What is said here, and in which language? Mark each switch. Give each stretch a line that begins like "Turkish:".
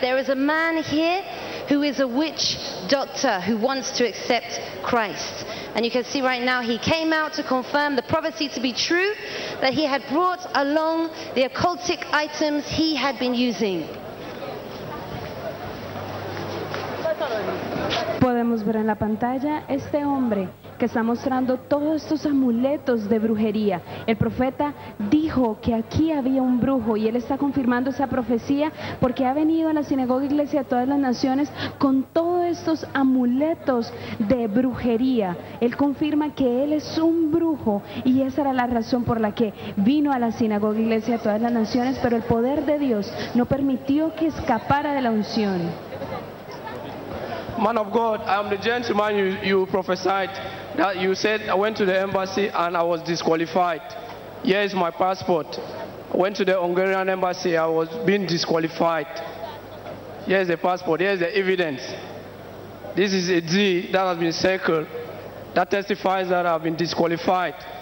English: There is a man here who is a witch doctor who wants to accept Christ. And you can see right now he came out to confirm the prophecy to be true, that he had brought along the occultic items he had been using.
Spanish: Podemos ver en la pantalla este hombre que está mostrando todos estos amuletos de brujería. El profeta dijo que aquí había un brujo y él está confirmando esa profecía porque ha venido a la sinagoga iglesia de todas las naciones con todos estos amuletos de brujería. Él confirma que él es un brujo y esa era la razón por la que vino a la sinagoga iglesia de todas las naciones, pero el poder de Dios no permitió que escapara de la unción.
English: Man of God, I am the gentleman you prophesied that you said I went to the embassy and I was disqualified. Here is my passport. I went to the Hungarian embassy, I was being disqualified. Here is the passport, here is the evidence. This is a D that has been circled that testifies that I have been disqualified.